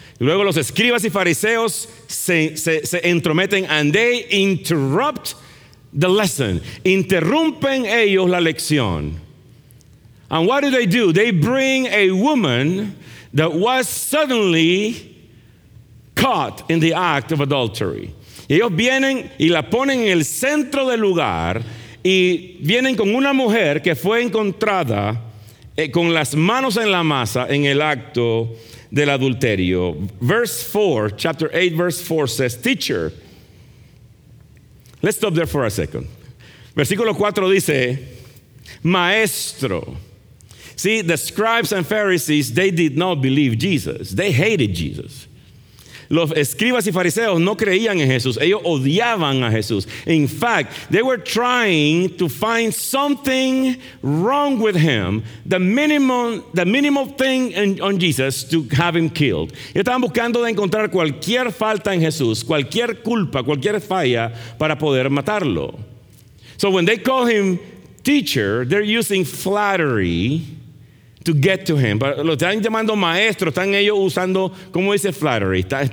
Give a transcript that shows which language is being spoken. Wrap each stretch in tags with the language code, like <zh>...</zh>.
<es>Luego los escribas y fariseos se entrometen,</es> <en>and they interrupt the lesson.</en> <es>Interrumpen ellos la lección.</es> <en>And what do? They bring a woman that was suddenly caught in the act of adultery.</en> <es>Y ellos vienen y la ponen en el centro del lugar y vienen con una mujer que fue encontrada con las manos en la masa en el acto del adulterio.</es> <en>Verse 4, chapter 8, verse 4 says, teacher, let's stop there for a second.</en> <es>Versículo 4 dice, maestro.</es> <en>See, the scribes and Pharisees, they did not believe Jesus. They hated Jesus.</en> <es>Los escribas y fariseos no creían en Jesús. Ellos odiaban a Jesús.</es> <en>In fact, they were trying to find something wrong with him, the minimum thing on Jesus to have him killed.</en> <es>Ellos estaban buscando de encontrar cualquier falta en Jesús, cualquier culpa, cualquier falla para poder matarlo.</es> <en>So when they call him teacher, they're using flattery to get to him.</en> <es>Pero lo están llamando maestro, están ellos usando, ¿cómo dice flattery?</es>